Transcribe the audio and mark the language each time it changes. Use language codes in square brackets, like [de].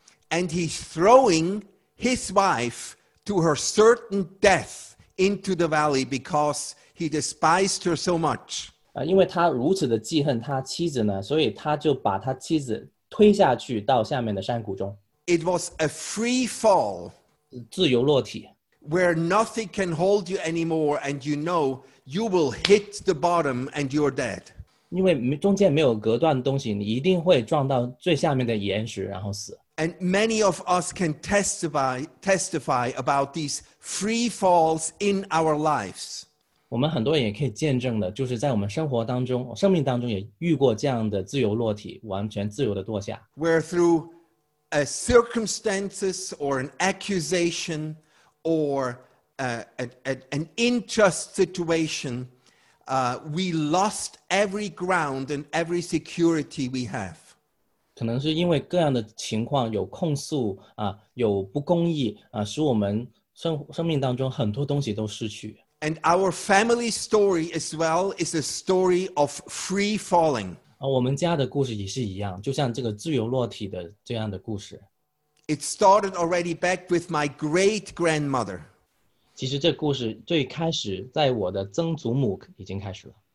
[en] And he's throwing his wife to her certain death into the valley because he despised her so much. [zh] 因为他如此的记恨他妻子呢，所以他就把他妻子推下去到下面的山谷中。 [en] It was a free fall. [zh] 自由落体。 [en] Where nothing can hold you anymore and you know you will hit the bottom and you're dead. [zh] 因为中间没有隔断的东西，你一定会撞到最下面的岩石然后死。 [en] And many of us can testify about these free falls in our lives. [zh] 我们很多人也可以见证的，就是在我们生活当中，生命当中也遇过这样的自由落体，完全自由的堕下。 [en] Where through a circumstances or an accusation or an unjust situation, we lost every ground and every security we have. [zh] 可能是因为各样的情况有控诉有不公义使我们 生命当中很多东西都失去。 [en] And our family story as well is a story of free falling. [zh] 我们家的故事也是一样，就像这个自由落体的这样的故事。 [en] It started already back with my great-grandmother. [zh] 其实这故事最开始在我的曾祖母已经开始了。